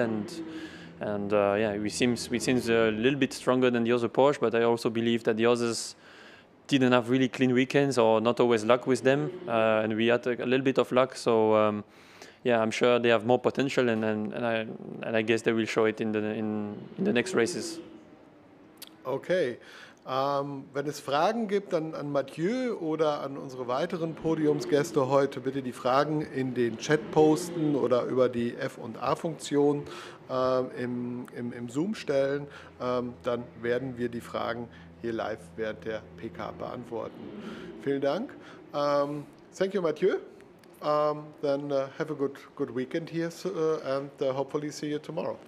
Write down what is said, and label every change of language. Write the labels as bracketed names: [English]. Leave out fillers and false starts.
[English] And we seems a little bit stronger than the other Porsche, but I also believe that the others didn't have really clean weekends or not always luck with them. And we had a little bit of luck. So, I'm sure they have more potential and I guess they will show it in the next races. [German] Okay, wenn es Fragen gibt an Mathieu oder an unsere weiteren Podiumsgäste heute, bitte die Fragen in den Chat posten oder über die F&A-Funktion im Zoom stellen. Dann werden wir die Fragen hier live während der PK beantworten. Vielen Dank. [English] Thank you, [German] Mathieu. [English] Have a good weekend here and hopefully see you tomorrow.